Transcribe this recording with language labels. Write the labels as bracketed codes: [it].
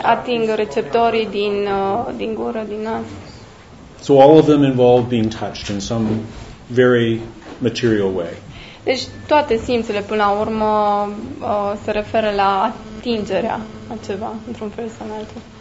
[ro] Ating receptorii din gură, din nas. [en] So all of them involve being touched in some very material way. [ro] Deci toate simțurile până la urmă se referă la atingerea a ceva într-un fel sau altul.